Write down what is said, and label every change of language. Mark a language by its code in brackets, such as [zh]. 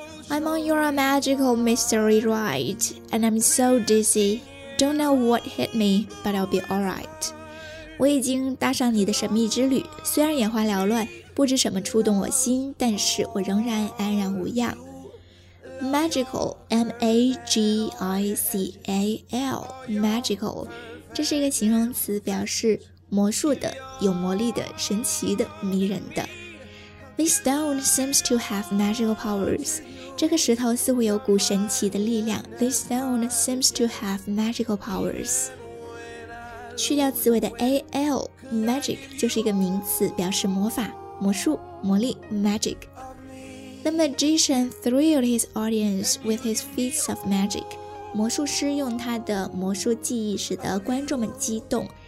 [en] I'm on your magical mystery ride, and I'm so dizzy. Don't know what hit me, but I'll be alright. [zh] 我已经搭上你的神秘之旅，虽然眼花缭乱，不知什么触动我心，但是我仍然安然无恙。 [en] Magical, M-A-G-I-C-A-L, magical, [zh] 这是一个形容词，表示魔术的、有魔力的、神奇的、迷人的。 [en] This stone seems to have magical powers. [zh] 这个石头似乎有股神奇的力量。 [en] This stone seems to have magical powers. [zh] 去掉词尾的 al, magic 就是一个名词，表示魔法、魔术、魔力。Magic. [en] The magician thrilled his audience with his feats of magic. [zh] 魔术师用他的魔术技艺使得观众们激动。